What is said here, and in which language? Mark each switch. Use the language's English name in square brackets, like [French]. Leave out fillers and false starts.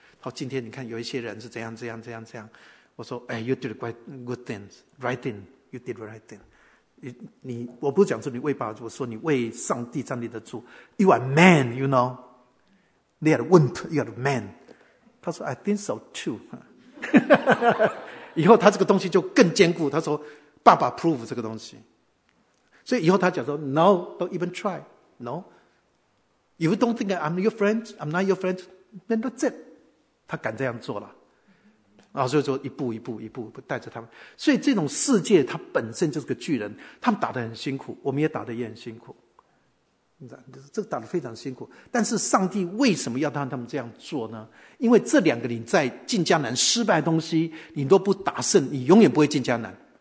[Chinese] 好，今天你看有一些人是怎样怎样怎样怎样。我说：“哎、 [English] you did quite good things, right thing. You did right thing. [Chinese] 你我不讲说你为爸，我说你为上帝站立得住。 [English] You are man, you know. They are want. You are man.” [Chinese] 他说 ：“ [English] I think so too.” [Chinese] 以后他这个东西就更坚固。他说：“爸爸 prove 这个东西。” 所以以后他讲说 ： [English] “No, don't even try. No. If you don't think I'm your friend, I'm not your friend. Then that's it.” [Chinese] 他敢这样做了。然后就说一步一步一步一步带着他们，所以这种世界它本身就是个巨人，他们打得很辛苦，我们也打得也很辛苦，这打得非常辛苦。但是上帝为什么要让他们这样做呢？因为这两个你在进迦南失败的东西你都不打胜，你永远不会进迦南。